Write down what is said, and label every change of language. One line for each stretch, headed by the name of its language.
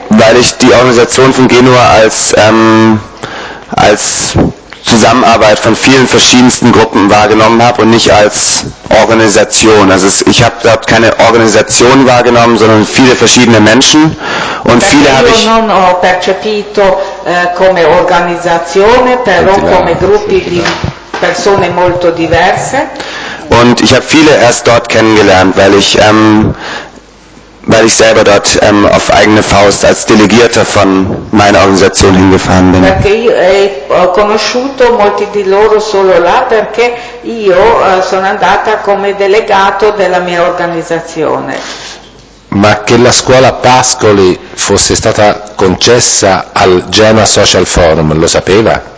German: Weil ich die Organisation von Genua als als Zusammenarbeit von vielen verschiedensten Gruppen wahrgenommen habe und nicht als Organisation. Also ich habe dort keine Organisation wahrgenommen, sondern viele verschiedene Menschen und viele habe ich
Italian: non ho percepito come organizzazione, però come gruppi di persone molto diverse.
German: Und ich habe viele erst dort kennengelernt, weil ich selber dort auf eigene Faust als Delegierter von meiner Organisation hingefahren bin.
Italian: Perché io ho conosciuto molti di loro solo là perché io sono andata come delegato della mia organizzazione. Ma che la scuola Pascoli fosse stata concessa al Genoa Social Forum, lo sapeva?